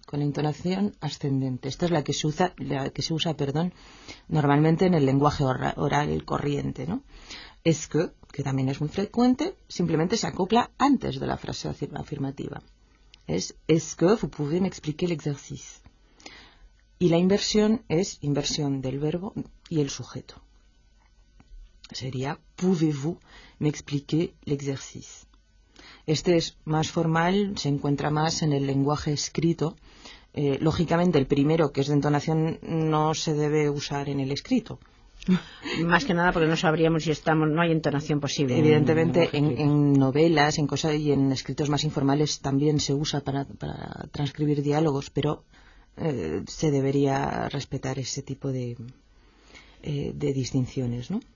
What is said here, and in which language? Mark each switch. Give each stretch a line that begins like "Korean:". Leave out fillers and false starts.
Spanish: Con la entonación ascendente. Esta es la que se usa, normalmente en el lenguaje oral corriente, ¿no? Est-ce que también es muy frecuente, simplemente se acopla antes de la frase afirmativa.
French: Es est-ce que vous pouvez m'expliquer l'exercice?
Spanish: Y la inversión es inversión del verbo y el sujeto. Sería
French: pouvez-vous m'expliquer l'exercice?
Spanish: Este es más formal, se encuentra más en el lenguaje escrito. Lógicamente, el primero, que es de entonación, no se debe usar en el escrito. Más que nada porque no sabríamos si estamos, no hay entonación posible. Evidentemente, en novelas, en cosas y en escritos más informales también se usa para transcribir diálogos, pero se debería respetar ese tipo de distinciones, ¿no?